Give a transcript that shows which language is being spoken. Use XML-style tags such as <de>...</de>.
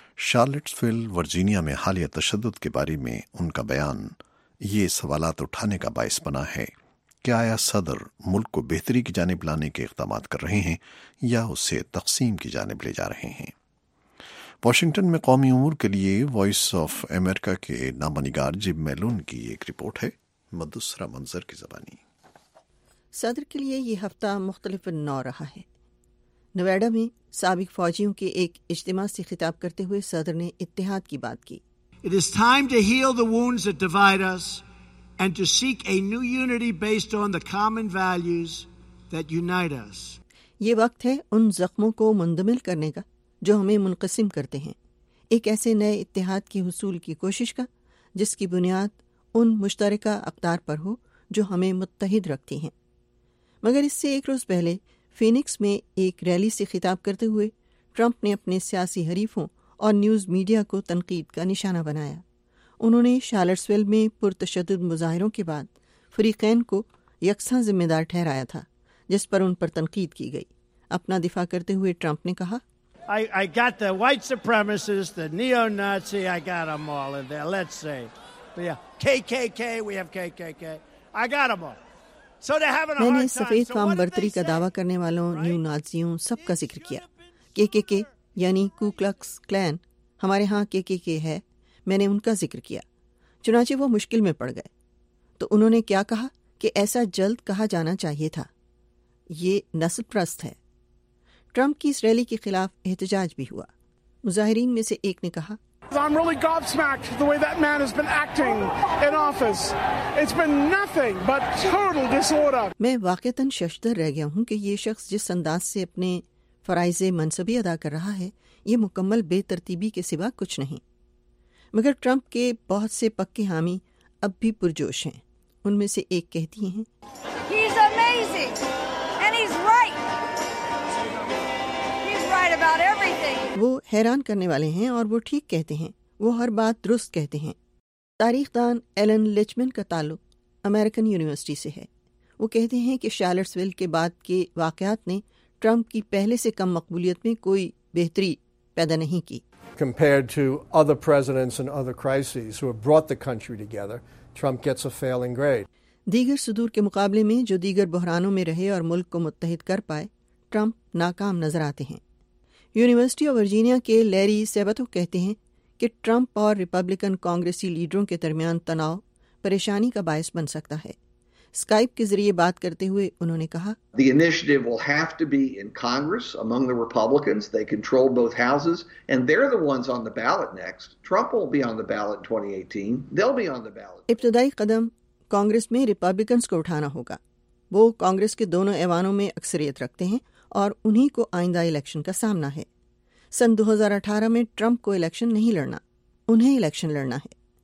<ur>شارلٹسویل، Virginia میں حالیہ تشدد کے بارے میں ان کا بیان یہ سوالات اٹھانے کا باعث بنا ہے کہ آیا صدر ملک کو بہتری کی جانب لانے کے اقدامات کر رہے ہیں یا اسے تقسیم کی جانب لے جا رہے ہیں۔ واشنگٹن میں قومی امور کے لیے وائس آف امریکہ کے نامہ نگار جب میلون کی ایک رپورٹ ہے، مدثرہ منظر کی زبانی۔ صدر کے لیے یہ ہفتہ مختلف نوع رہا ہے۔ نویڈا میں سابق فوجیوں کے ایک اجتماع سے خطاب کرتے ہوئے صدر نے اتحاد کی بات کی۔</ur> <en>It is time to heal the wounds that divide us and to seek a new unity based on the common values that unite us.</en> <ur>یہ وقت ہے ان زخموں کو مندمل کرنے کا جو ہمیں منقسم کرتے ہیں، ایک ایسے نئے اتحاد کے حصول کی کوشش کا جس کی بنیاد ان مشترکہ اقدار پر ہو جو ہمیں متحد رکھتی ہیں۔ مگر اس سے ایک روز پہلے فینکس میں ایک ریلی سے خطاب کرتے ہوئے ٹرمپ نے اپنے سیاسی حریفوں اور نیوز میڈیا کو تنقید کا نشانہ بنایا۔ انہوں نے شارلٹسویل میں پرتشدد مظاہروں کے بعد فریقین کو یکساں ذمہ دار ٹھہرایا تھا جس پر ان پر تنقید کی گئی۔ اپنا دفاع کرتے ہوئے ٹرمپ نے کہا،</ur> <en>I got the white supremacists, the neo-Nazi, I got them all in there, let's say. Yeah, KKK, we have KKK, I got them all.</en> <ur>میں نے سفید فام برتری کا دعویٰ کرنے والوں، نیو نازیوں، سب کا ذکر کیا۔ کے کے کے یعنی کو کلکس کلین، ہمارے ہاں کے کے کے ہے، میں نے ان کا ذکر کیا۔ چنانچہ وہ مشکل میں پڑ گئے۔ تو انہوں نے کیا کہا کہ ایسا جلد کہا جانا چاہیے تھا، یہ نسل پرست ہے۔ ٹرمپ کی اس ریلی کے خلاف احتجاج بھی ہوا۔ مظاہرین میں سے ایک نے کہا،</ur> <en>I'm really gobsmacked the way that man has been acting in office. It's been nothing but total disorder.</en> <ur>میں واقعتاً ششدر رہ گیا ہوں کہ یہ شخص جس انداز سے اپنے فرائض منصبی ادا کر رہا ہے یہ مکمل بے ترتیبی کے سوا کچھ نہیں. مگر ٹرمپ کے بہت سے پکے حامی اب بھی پرجوش ہیں. ان میں سے ایک کہتی ہیں</ur> <en>He's amazing and he's right. He's right about everything.</en> <ur>وہ حیران کرنے والے ہیں اور وہ ٹھیک کہتے ہیں, وہ ہر بات درست کہتے ہیں. تاریخ دان ایلن لچمن کا تعلق امریکن یونیورسٹی سے ہے. وہ کہتے ہیں کہ شارلٹسویل کے بعد کے واقعات نے ٹرمپ کی پہلے سے کم مقبولیت میں کوئی بہتری پیدا نہیں کی.</ur> <en>Compared to other presidents and other crises who have brought the country together, Trump gets a failing grade.</en> <ur>دیگر صدور کے مقابلے میں جو دیگر بحرانوں میں رہے اور ملک کو متحد کر پائے, ٹرمپ ناکام نظر آتے ہیں. یونیورسٹی آف ورجینیا کے لیری سیبتو کہتے ہیں کہ ٹرمپ اور ریپبلکن کانگریسی لیڈروں کے درمیان تناؤ پریشانی کا باعث بن سکتا ہے. اسکائپ کے ذریعے بات کرتے ہوئے انہوں نے کہا</ur> <en>The initiative will have to be in Congress among the Republicans. They control both houses and they're the ones on the ballot next. Trump will be on the ballot in 2018. They'll be on the ballot.</en> <ur>ابتدائی قدم کانگریس میں Republicans کو اٹھانا ہوگا. وہ کانگریس کے دونوں ایوانوں میں اکثریت رکھتے ہیں اور انہی کو آئندہ الیکشن کا سامنا ہے. سن 2018 میں ٹرمپ کو الیکشن نہیں لڑنا, انہیں الیکشن لڑنا ہے.</ur>